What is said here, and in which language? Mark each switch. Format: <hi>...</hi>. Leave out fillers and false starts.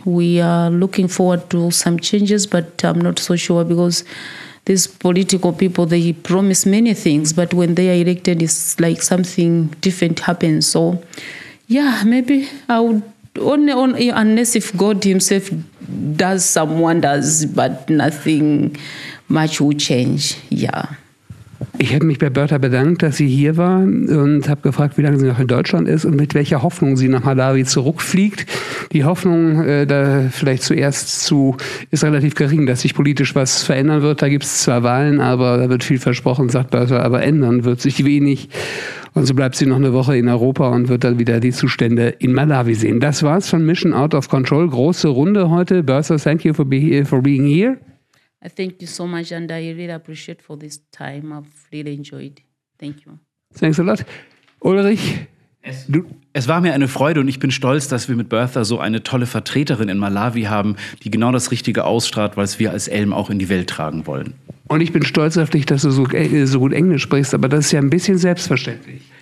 <en>We are looking forward to some changes, but I'm not so sure because these political people, they promise many things, but when they are elected, it's like something different happens. So, yeah, maybe I would, unless if God himself does some wonders, but nothing much will change, yeah.</en> <de>Ich habe mich bei Bertha bedankt, dass sie hier war und habe gefragt, wie lange sie noch in Deutschland ist und mit welcher Hoffnung sie nach Malawi zurückfliegt. Die Hoffnung ist relativ gering, dass sich politisch was verändern wird. Da gibt es zwar Wahlen, aber da wird viel versprochen, sagt Bertha, aber ändern wird sich wenig. Und so bleibt sie noch eine Woche in Europa und wird dann wieder die Zustände in Malawi sehen. Das war's von Mission Out of Control. Große Runde heute. Bertha,</de> <en>thank you for being here. I thank you so much and I really appreciate for this time. I've really enjoyed. Thank you. Thanks a lot. Ulrich?</en> <de>Es war mir eine Freude und ich bin stolz, dass wir mit Bertha so eine tolle Vertreterin in Malawi haben, die genau das Richtige ausstrahlt, was wir als Elm auch in die Welt tragen wollen. Und ich bin stolz auf dich, dass du so gut Englisch sprichst, aber das ist ja ein bisschen selbstverständlich.</de>